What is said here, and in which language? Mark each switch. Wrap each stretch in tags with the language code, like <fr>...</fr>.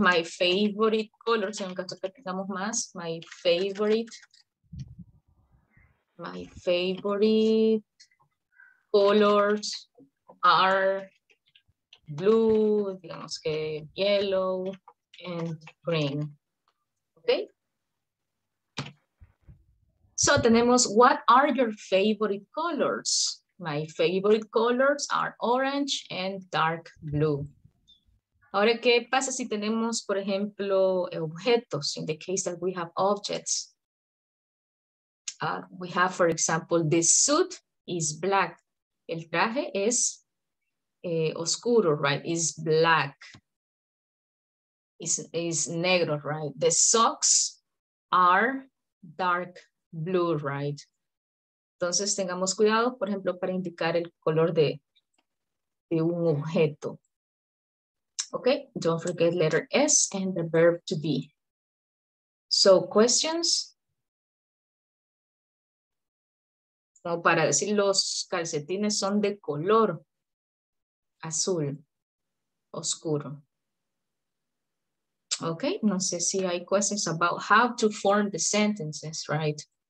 <en>My favorite color,</en> <es>si en caso que tengamos más,</es> <en>my favorite colors are blue,</en> <es>digamos que</es> <en>yellow and green. Okay. So</en> <es>tenemos,</es> <en>what are your favorite colors? My favorite colors are orange and dark blue.</en> <es>Ahora, ¿qué pasa si tenemos, por ejemplo, objetos?</es> <en>In the case that we have objects. We have, for example, this suit is black.</en> <es>El traje es oscuro, right?</es> <en>It's black. It's negro, right? The socks are dark blue, right?</en> <es>Entonces, tengamos cuidado, por ejemplo, para indicar el color de un objeto.</es> <en>Okay, don't forget letter S and the verb to be. So, questions?</en> <es>Como para decir, los calcetines son de color azul, oscuro.</es> <en>Okay,</en> <es>no sé si hay</es> <en>questions about how to form the sentences, right?</en>